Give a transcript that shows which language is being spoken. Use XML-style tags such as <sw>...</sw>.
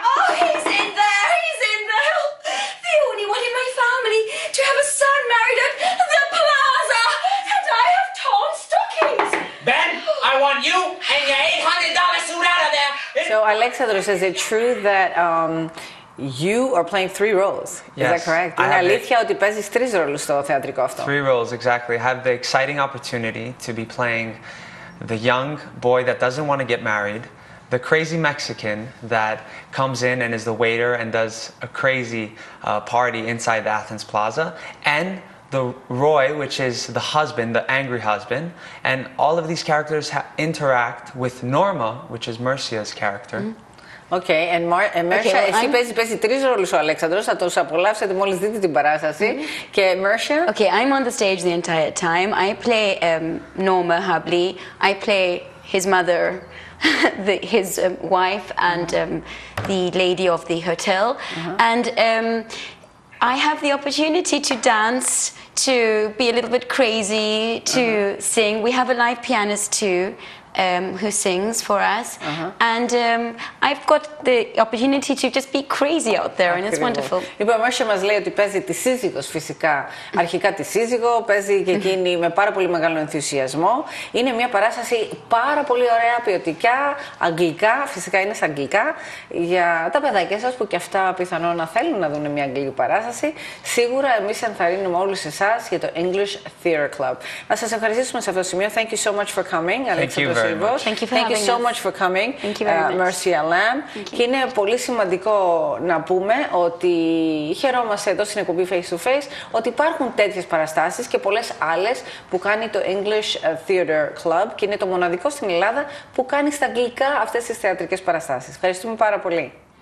<en>Oh, he's in there, he's in there. The only one in my family to have a son married at the Plaza, and I have torn stockings. Ben, I want you and your $800 suit out of there. So, Alexandros, is it true that... you are playing 3 roles. Yes, is that correct?</en> <el>Είναι αλήθεια ότι παίζεις 3 ρόλους στο θεατρικό αυτό?</el> <en>3 roles, exactly. I have the exciting opportunity to be playing the young boy that doesn't want to get married, the crazy Mexican that comes in and is the waiter and does a crazy party inside the Athens Plaza, and the Roy, which is the husband, the angry husband, and all of these characters interact with Norma, which is Mercia's character. Mm-hmm.</en> <el>Okay, and Mercia, okay, well, εσύ παίζει 3 ρόλους ο Αλέξανδρος, θα τους απολαύσετε μόλις δείτε την παράσταση. Mm-hmm. Και Mercia...</el> <en>Okay, I'm on the stage the entire time. I play Norma Hubley. I play his mother, his wife, and the lady of the hotel. Mm-hmm. And I have the opportunity to dance, to be a little bit crazy, to mm-hmm. sing. We have a live pianist too. Who sings for us, uh-huh. and I've got the opportunity to just be crazy out there, and it's wonderful.</en> <el>Λοιπόν, Μέρσια μας λέει ότι παίζει τη σύζυγος, φυσικά. Αρχικά τη σύζυγο, παίζει και εκείνη με πάρα πολύ μεγάλο ενθουσιασμό. Είναι μια παράσταση πάρα πολύ ωραία, ποιοτικά, αγγλικά, φυσικά είναι στα αγγλικά, για τα παιδάκια σας που και αυτά πιθανόν να θέλουν να δουν μια αγγλική παράσταση. Σίγουρα εμείς ενθαρρύνουμε όλους εσάς για το English Theatre Club. Να σας ευχαριστήσουμε σε αυτό το σημείο.</el> <en>Thank you so much for coming, Alexandros. Thank you so much for coming, Mercia Lamb.</en> <el>Και είναι πολύ σημαντικό να πούμε ότι χαιρόμαστε εδώ στην εκπομπή Face to Face ότι υπάρχουν τέτοιες παραστάσεις και πολλές άλλες που κάνει το English Theater Club και είναι το μοναδικό στην Ελλάδα που κάνει στα αγγλικά αυτές τις θεατρικές παραστάσεις. Ευχαριστούμε πάρα πολύ.</el>